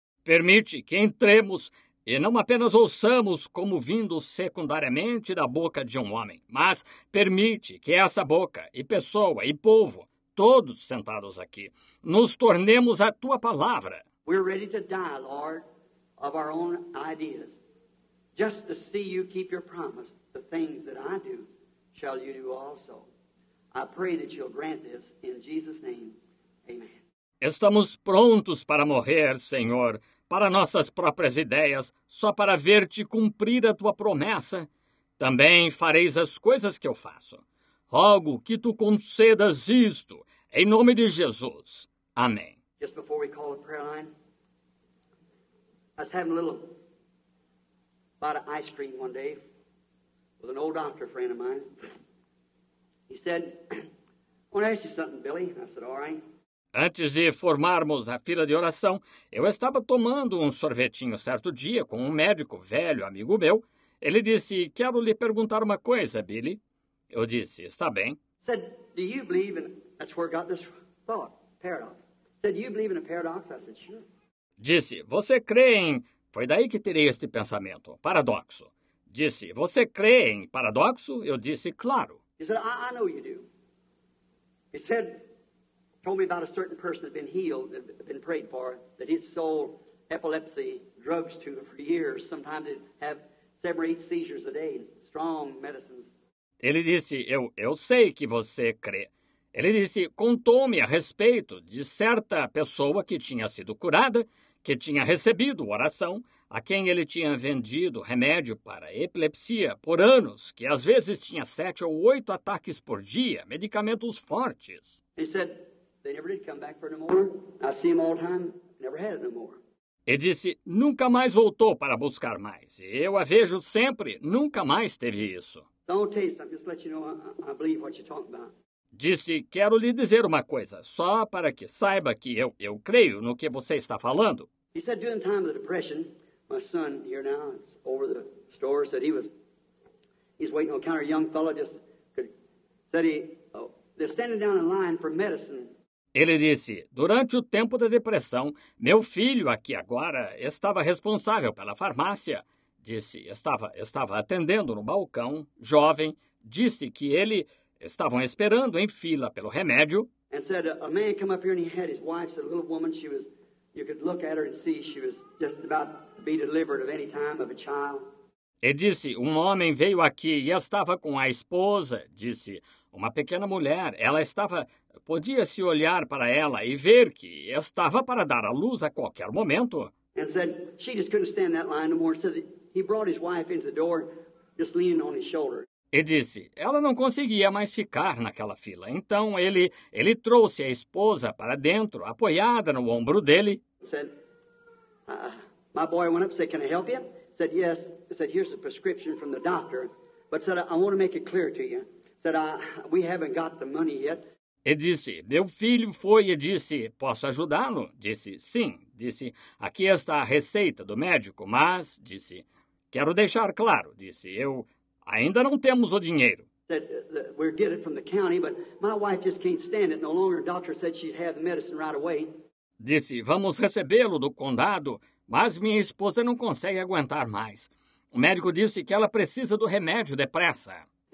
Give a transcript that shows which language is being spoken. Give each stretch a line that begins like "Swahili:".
Portuguese: Permite que entremos e não apenas ouçamos como vindo secundariamente da boca de um homem, mas permite que essa boca e pessoa e povo, todos sentados aqui, nos tornemos a tua palavra.
English: We're ready to die, Lord, of our own ideas, just to see you keep your promise. The things that I do, shall you do also. I pray that you'll grant this in Jesus' name. Amen.
Portuguese: Estamos prontos para morrer, Senhor, para nossas próprias ideias, só para ver-te cumprir a tua promessa. Também fareis as coisas que eu faço. Rogo que tu concedas isto, em nome de Jesus. Amém.
English: Just before we call the prayer line, I was having a little bite of ice cream one day with an old doctor friend of mine. He said, I want to ask you something, Billy. I said, all right.
Portuguese: Antes de formarmos a fila de oração, eu estava tomando um sorvetinho certo dia com um médico velho amigo meu. Ele disse, quero lhe perguntar uma coisa, Billy. Eu disse, está bem.
English: Said, do you believe in... That's where I got this thought, paradox. Said, do you believe in a paradox? I said, sure.
Portuguese: Disse, você crê em... Foi daí que tirei este pensamento, paradoxo. Disse, você crê em paradoxo? Eu disse, claro.
English: He said, I know you do. He said... Told me about a certain person that had been healed, that had been prayed for, that he'd sold epilepsy drugs to for years. Sometimes they'd have 7 or 8 seizures a day, strong medicines.
Portuguese: Ele disse, eu sei que você crê. Ele disse, contou-me a respeito de certa pessoa que tinha sido curada, que tinha recebido oração, a quem ele tinha vendido remédio para epilepsia por anos, que às vezes tinha 7 ou 8 ataques por dia, medicamentos fortes. Ele disse,
English: they never did come back for it no more. I see him all the time. Never had it no more.
Portuguese: Ele disse, nunca mais voltou para buscar mais. Eu a vejo sempre. Nunca mais teve isso.
English: Don't taste. I'm just letting you know I believe what you're talking about.
Portuguese: Disse, quero lhe dizer uma coisa. Só para que saiba que eu creio no que você está falando.
English: He said, during the time of the depression, my son here now is over the store. Said he was, he's waiting on the counter. A young fellow just could, said he, oh, they're standing down in line for medicine.
Portuguese: Ele disse, durante o tempo da depressão, meu filho aqui agora estava responsável pela farmácia. Disse, estava atendendo no balcão, jovem. Disse que ele estava esperando em fila pelo remédio.
English: And said, a man came up here and he had his wife, a little woman, she was, you could look at her and see she was just about to be delivered of any time of a child.
Portuguese: E disse, um homem veio aqui e estava com a esposa. Disse, uma pequena mulher, ela estava... Podia-se olhar para ela e ver que estava para dar à luz a qualquer momento.
English: And said, she just couldn't stand that line no more. Said that he brought his wife into the door, just leaning on his shoulder.
Portuguese: E disse, ela não conseguia mais ficar naquela fila. Então ele trouxe a esposa para dentro, apoiada no ombro dele.
English: Said, my boy went up and said, can I help you? Said, yes. Said, here's a prescription from the doctor. But said, I want to make it clear to you. Said, we haven't got the money yet.
Portuguese: E disse, meu filho foi e disse, posso ajudá-lo? Disse, sim. Disse, aqui está a receita do médico, mas, disse, quero deixar claro, disse, eu ainda não temos o dinheiro.
English: Said, we'll get it from the county, but my wife just can't stand it no longer. The doctor said she'd have the medicine right away.
Portuguese: Disse, vamos recebê-lo do condado, mas minha esposa não consegue aguentar mais. O médico disse que ela precisa do remédio depressa.